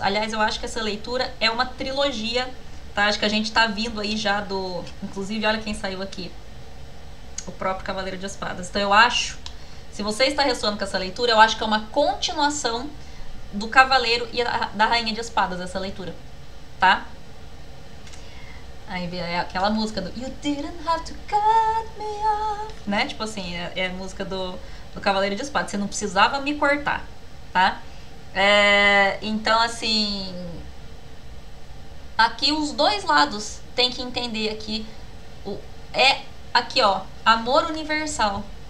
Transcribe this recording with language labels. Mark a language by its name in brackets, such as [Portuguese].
[Portuguese] Aliás, eu acho que essa leitura é uma trilogia, tá? Acho que a gente tá vindo aí já do. Inclusive, olha quem saiu aqui. O próprio Cavaleiro de Espadas. Então eu acho, se você está ressoando com essa leitura, eu acho que é uma continuação do Cavaleiro e da Rainha de Espadas, essa leitura, tá? Aí vem aquela música do [English] You didn't have to cut me off, né? [Portuguese] Tipo assim, é a música do Cavaleiro de Espadas, você não precisava me cortar, tá? Então, assim, aqui os dois lados têm que entender aqui, aqui ó, amor universal.